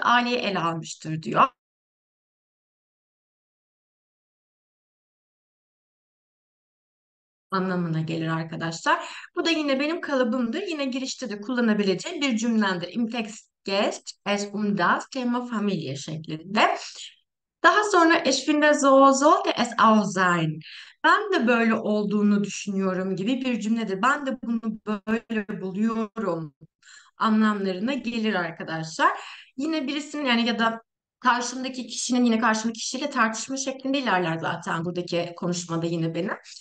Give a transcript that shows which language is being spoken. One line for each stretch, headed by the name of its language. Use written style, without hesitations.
Turkish: Aileyi ele almıştır diyor. Anlamına gelir arkadaşlar. Bu da yine benim kalıbımdır. Yine girişte de kullanabileceğim bir cümlendir.
German: Im Text geht es um das Thema Familie şeklinde.
Turkish: Daha sonra
German: ich finde so sollte es auch sein.
Turkish: Ben de böyle olduğunu düşünüyorum gibi bir cümledir. Ben de bunu böyle buluyorum anlamlarına gelir arkadaşlar. Yine birisinin yani ya da karşımdaki kişinin yine karşımdaki kişiyle tartışma şeklinde ilerler zaten buradaki konuşmada yine benim.